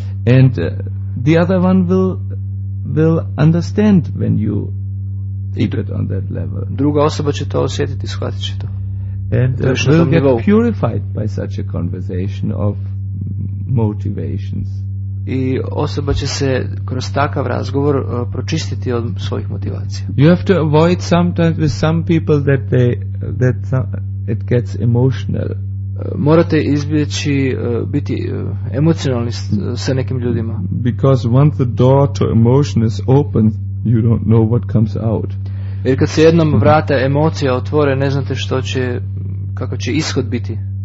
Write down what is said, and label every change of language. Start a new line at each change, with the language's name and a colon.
English: And the other one will understand when you keep it on that level.
Croatian: Druga osoba će to osjetiti, shvatit će to.
English: And will get nivou purified by such a conversation of motivations.
Croatian: I osoba će se kroz takav razgovor pročistiti od svojih motivacija.
English: You have to avoid sometimes with some people that it gets emotional.
Croatian: Morate izbjeći biti emocionalni sa nekim ljudima.
English: Because once the door to emotion is open, you don't know what comes out.
Croatian: Jer kad se jednom vrata emocija otvore, ne znate što će, kako će ishod biti.